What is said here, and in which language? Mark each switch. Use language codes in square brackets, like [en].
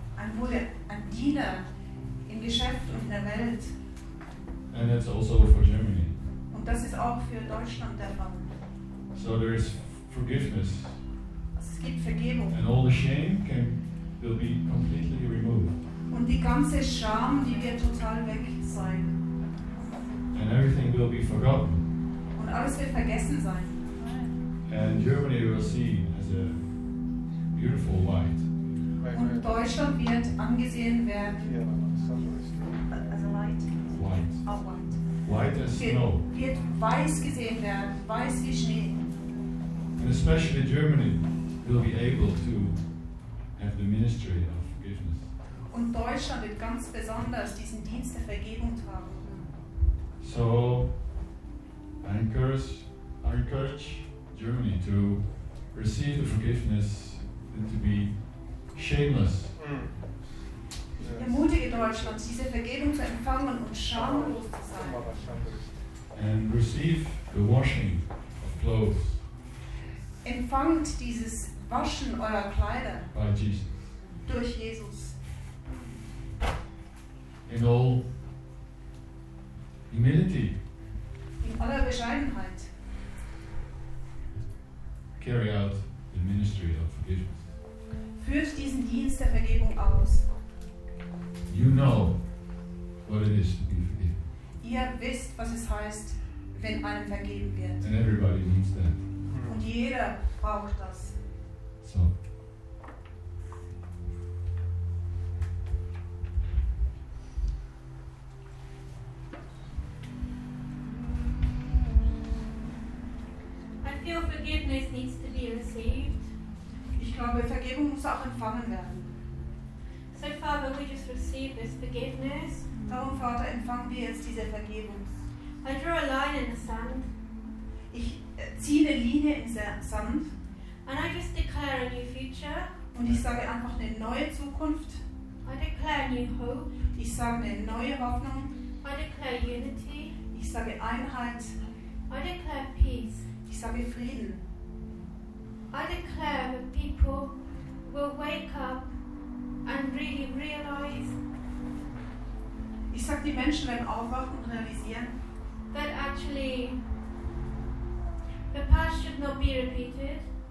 [de] Ein wurde ein Diener im Geschäft und in der Welt. [en] And that's also for Germany. [de] Und das ist auch für Deutschland der Fall. [en] So there is forgiveness. [de] Also es gibt Vergebung. [en] And all the shame will be completely removed. [de] Und die ganze Scham, die wird total weg sein. [en] And everything will be forgotten. [de] Und alles wird vergessen sein. [en] And Germany will see as a beautiful light. [de] Und Deutschland wird angesehen werden [en] as a light. White. Oh, white. White as snow. [de] Wird weiß gesehen werden, weiß wie Schnee. [en] And especially Germany will be able to have the ministry of forgiveness. [de] Und Deutschland wird ganz besonders diesen Dienst der Vergebung haben. [en] So, I encourage Germany to receive the forgiveness and to be shameless. [de] Ich ermutige Deutschland, diese Vergebung zu empfangen und schamlos zu sein. [en] And receive the washing of clothes. [de] Empfangt dieses Waschen eurer Kleider. [en] By Jesus. [de] Durch Jesus. [en] In all humility. [de] In aller Bescheidenheit. [en] Carry out the ministry of forgiveness. [de] Führt diesen Dienst der Vergebung aus. [en] You know what it is to be forgiven. [de] Ihr wisst, was es heißt, wenn einem vergeben wird. [en] And everybody needs that. [de] Und jeder braucht das. [en] So. I feel forgiveness needs to be received. [de] Ich glaube, Vergebung muss auch empfangen werden. [en] So, Father, we just receive this forgiveness. [de] Darum, Vater, empfangen wir jetzt diese Vergebung. [en] I draw a line in the sand. [de] Ich ziehe eine Linie in den Sand. [en] And I just declare a new future. [de] Und ich sage einfach eine neue Zukunft. [en] I declare a new hope. [de] Ich sage eine neue Hoffnung. [en] I declare unity. [de] Ich sage Einheit. [en] I declare peace. [de] Ich sage Frieden. [en] I declare that people will wake up and really realize. [de] Ich sage, die Menschen werden aufwachen und realisieren. [en] That actually the past should not be repeated.